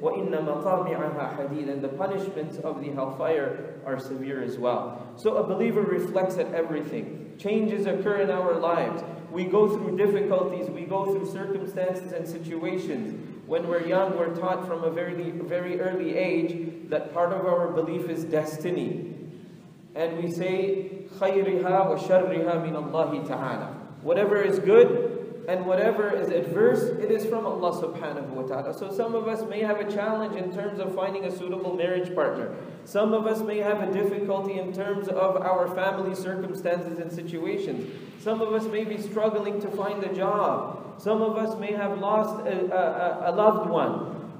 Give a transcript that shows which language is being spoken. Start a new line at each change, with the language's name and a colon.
Arabic: وَإِنَّ مَطَامِعَهَا حَدِيدٌ,
English: and the punishments of the hellfire are severe as well. So a believer reflects at everything. Changes occur in our lives. We go through difficulties, we go through circumstances and situations. When we're young, we're taught from a very, very early age that part of our belief is destiny. And we say,
Arabic: خَيْرِهَا وَشَرِّهَا مِنَ اللَّهِ تَعَالَى.
English: Whatever is good and whatever is adverse, it is from Allah subhanahu wa ta'ala. So some of us may have a challenge in terms of finding a suitable marriage partner. Some of us may have a difficulty in terms of our family circumstances and situations. Some of us may be struggling to find a job. Some of us may have lost a loved one.